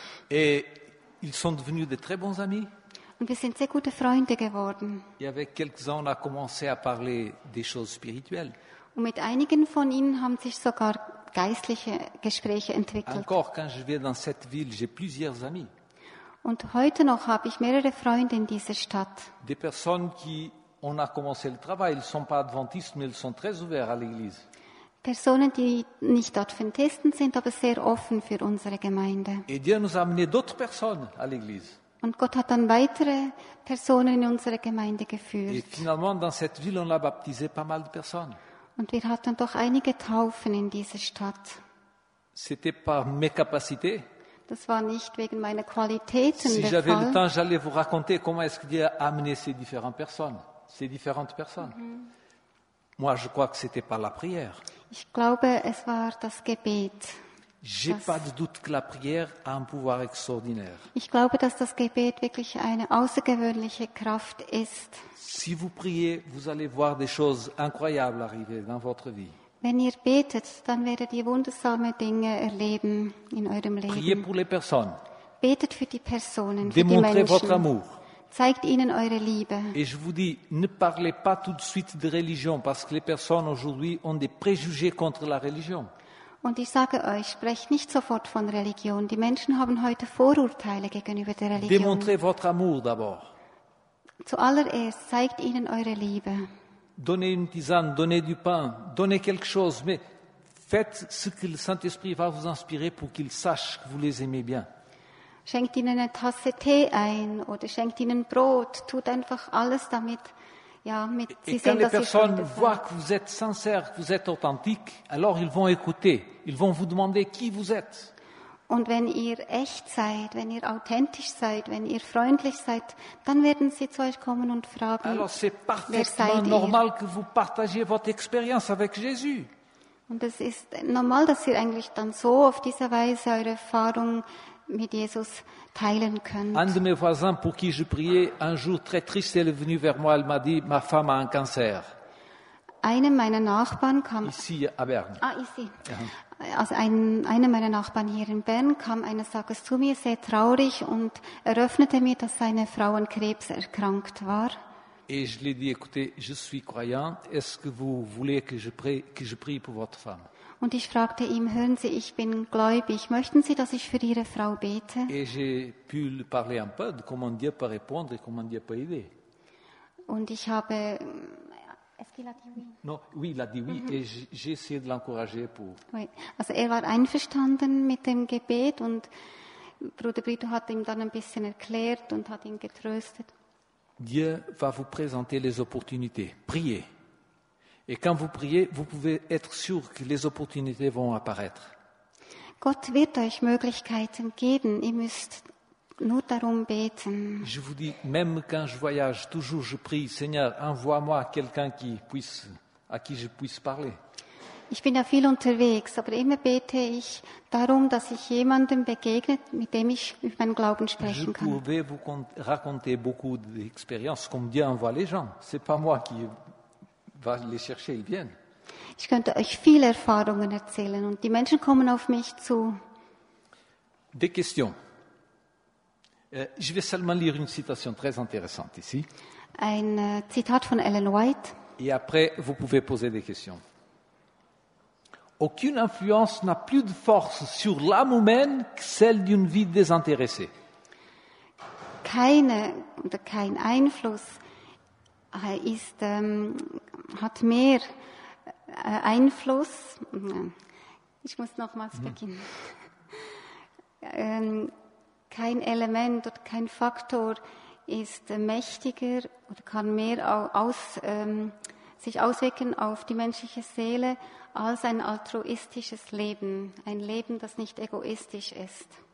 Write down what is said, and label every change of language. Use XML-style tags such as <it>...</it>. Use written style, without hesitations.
<fr>Et ils sont devenus de très bons amis.</fr> <de>Und wir sind sehr gute Freunde geworden.</de> <fr>Et avec quelques-uns, on a commencé à parler des choses spirituelles.</fr> <de>Und mit einigen von ihnen haben sich sogar geistliche Gespräche entwickelt.</de> <fr>Encore quand je vais dans cette ville, j'ai plusieurs amis.</fr> <de>Und heute noch habe ich mehrere Freunde in dieser Stadt.</de> <fr>Des personnes qui on a commencé le travail, ils sont pas adventistes, mais ils sont très ouverts à l'église.</fr> <de>Personen, die nicht Adventisten sind, aber sehr offen für unsere Gemeinde.</de> <fr>Et Dieu nous a amené d'autres personnes à l'église.</fr> <de>Und Gott hat dann weitere Personen in unsere Gemeinde geführt.</de> <fr>Et finalement, dans cette ville, on a baptisé pas mal de personnes.</fr> <de>Und wir hatten doch einige Taufen in dieser Stadt.</de> <fr>C'était pas mes capacités.</fr> <de>Das war nicht wegen meiner Qualitäten.</de> <fr>Si j'avais le temps, j'allais vous raconter comment est-ce que Dieu a amené ces différentes personnes. Mm-hmm. Moi, je crois que c'était pas la prière.</fr> <de>Ich glaube, es war das Gebet.</de> <fr>J'ai pas de doute que la prière a un pouvoir extraordinaire.</fr> <de>Ich glaube, dass das Gebet wirklich eine außergewöhnliche Kraft ist.</de> <fr>Si vous priez, vous allez voir des choses incroyables arriver dans votre vie.</fr> <de>Wenn ihr betet, dann werdet ihr wundersame Dinge erleben in eurem Leben.</de> <fr>Priez pour les personnes.</fr> <de>Betet für die Personen,</de> <fr>démontrez</fr> <de>für die Menschen.</de> <fr>Votre amour.</fr> <de>Zeigt ihnen eure Liebe.</de> <fr>Et je vous dis, ne parlez pas tout de suite de religion, parce que les personnes aujourd'hui ont des préjugés contre la religion.</fr> <de>Und ich sage euch, sprecht nicht sofort von Religion. Die Menschen haben heute Vorurteile gegenüber der Religion.</de> <fr>Démontrez votre amour d'abord.</fr> <de>Zuallererst zeigt ihnen eure Liebe.</de> <fr>Donnez une tisane, donnez du pain, donnez quelque chose, mais faites ce que le Saint-Esprit va vous inspirer pour qu'ils sachent que vous les aimez bien.</fr> <de>Schenkt ihnen eine Tasse Tee ein oder schenkt ihnen Brot. Tut einfach alles damit. Ja, mit,</de> <fr>et quand les personnes voient que vous êtes sincères, que vous êtes authentiques, alors ils vont écouter, ils vont vous demander qui vous êtes.</fr> <de>Und wenn ihr echt seid, wenn ihr authentisch seid, wenn ihr freundlich seid, dann werden sie zu euch kommen und fragen,</de> <fr>alors c'est parfaitement normal que vous partagiez votre expérience avec Jésus.</fr> <de>Und es ist normal, dass ihr eigentlich dann so auf diese Weise eure Erfahrung mit Jesus teilen könnt.</de> <fr>Un de mes voisins pour qui je priais, un jour très triste, elle est venue vers moi, elle m'a dit, ma femme a un cancer.</fr> <de>Einer meiner Nachbarn kam</de> <fr>ici à Bern. Ah, ici.</fr> <de>Also einer meiner Nachbarn hier in Bern kam eines Tages zu mir, sehr traurig, und eröffnete mir, dass seine Frau an Krebs erkrankt war.</de> <fr>Et je lui ai dit, écoutez, je suis croyant. Est-ce que vous voulez que je prie pour votre femme?</fr> <de>Und ich fragte ihm, hören Sie, ich bin gläubig. Möchten Sie, dass ich für Ihre Frau bete?</de> <fr>Et j'ai pu lui parler un peu de comment Dieu peut répondre et comment Dieu peut aider.</fr> <de>Und ich habe...</de> <fr>Non, oui, il a dit oui, mm-hmm. Et j'ai essayé de l'encourager pour... Oui.</fr> <de>Also er war einverstanden mit dem Gebet und Bruder Brito hat ihm dann ein bisschen erklärt und hat ihn getröstet.</de> <fr>Dieu va vous présenter les opportunités. Priez. Et quand vous priez, vous pouvez être sûr que les opportunités vont apparaître.</fr> <de>Gott wird euch Möglichkeiten geben. Ihr müsst nur darum beten.</de> <fr>Je vous dis, même quand je voyage, toujours je prie, Seigneur, envoie-moi quelqu'un qui puisse, à qui je puisse parler.</fr> <de>Ich bin ja viel unterwegs, aber immer bete ich darum, dass ich jemandem begegne, mit dem ich über meinen Glauben sprechen kann.</de> <fr>Je pouvais vous raconter beaucoup d'expériences, comme Dieu envoie les gens. C'est pas moi qui va les chercher, ils viennent.</fr> <de>Ich könnte euch viele Erfahrungen erzählen und die Menschen kommen auf mich zu.</de> <fr>Des questions. Je vais seulement lire une citation très intéressante ici.</fr> <de>Ein Zitat von Ellen White.</de> <fr>Et après, vous pouvez poser des questions. Aucune influence n'a plus de force sur l'âme humaine que celle d'une vie désintéressée.</fr> <de>keine oder kein Einfluss ist, hat mehr Einfluss. Ich muss nochmals beginnen. Kein Element oder kein Faktor ist mächtiger oder kann mehr sich auswirken auf die menschliche Seele als ein altruistisches Leben, ein Leben, das nicht egoistisch ist.</de>